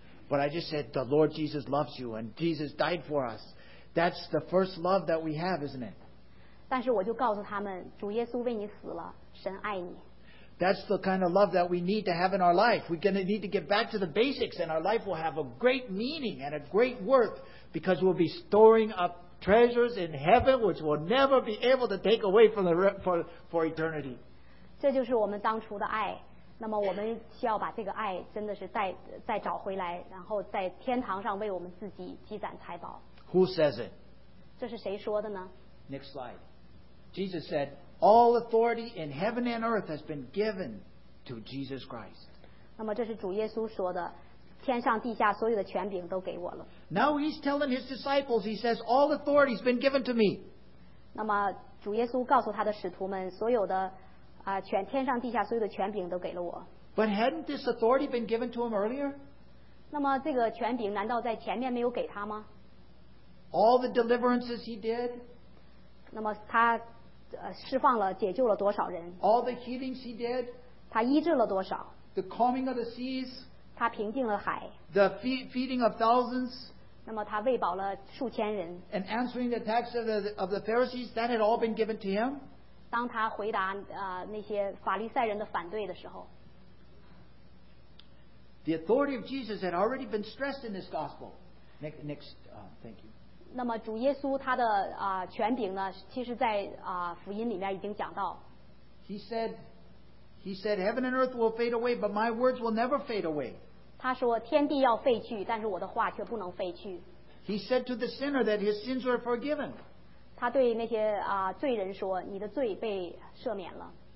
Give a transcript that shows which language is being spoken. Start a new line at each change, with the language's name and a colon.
English: But I just said, the Lord Jesus loves you and Jesus died for us. That's the first love that we have, isn't it?
Chinese: 但是我就告诉他们，主耶稣为你死了，神爱你。
English: That's the kind of love that we need to have in our life. We're going to need to get back to the basics and our life will have a great meaning and a great worth because we'll be storing up treasures in heaven which will never be able to take away for eternity.
Chinese: 这就是我们当初的爱，那么我们需要把这个爱真的是再找回来，然后在天堂上为我们自己积攒财宝。
English: Who says it?
Chinese: 这是谁说的呢？
English: Next slide. Jesus said, all authority in heaven and earth has been given to Jesus Christ.
Chinese: 那么这是主耶稣说的，天上地下所有的权柄都给我了。
English: Now he's telling his disciples, he says, all authority has been given to me.
Chinese: 那么主耶稣告诉他的使徒们，所有的全天上地下所有的权柄都给了我。
English: But hadn't this authority been given to him earlier?
Chinese: 那么这个权柄难道在前面没有给他吗？
English: All the deliverances he did.
Chinese: 那么他释放了解救了多少人？
English: All the healings he did.
Chinese: 他医治了多少？
English: The calming of the seas.
Chinese: 他平静了海。
English: The feeding of thousands.
Chinese: 那么他喂饱了数千人。
English: And answering the tax of the Pharisees, that had all been given to him.
Chinese: 当他回答那些法利赛人的反对的时候。
English: The authority of Jesus had already been stressed in this gospel. Thank you.
Chinese: 那么主耶稣他的权柄呢，其实在福音里面已经讲到。
English: He said, heaven and earth will fade away, but my words will never fade away.
Chinese: 他说天地要废去，但是我的话却不能废去。
English: He said to the sinner that his sins were forgiven.
Chinese: 他对那些罪人说，你的罪被赦免了。